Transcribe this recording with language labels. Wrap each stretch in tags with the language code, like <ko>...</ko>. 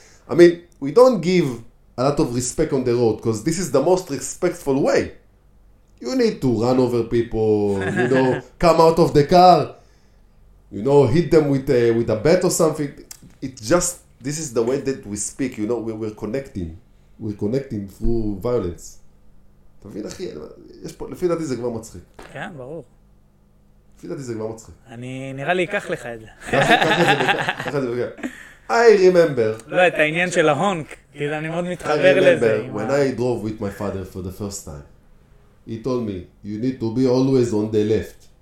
<en>I mean, we don't give a lot of respect on the road because this is the most respectful way. You need to run over people, you know, come out of the car, you know, hit them with a bat or something. It's just, this is the way that we speak, you know, we're connecting. We're connecting through violence.</en> <he>אתה מבין, אחי, יש פה, לפי דעתי זה כבר מצחיק. כן, ברור. לפי דעתי זה כבר מצחיק. אני נראה לי אקח לך את זה. אקח את זה, אקח את זה, אקח.</he> <en>I remember.</en> <he>לא, את העניין של ההונק, כי אני מאוד מתחבר לזה.</he> <en>I remember when I drove with my father for the first time. He told me, you need to be always on the left.</en>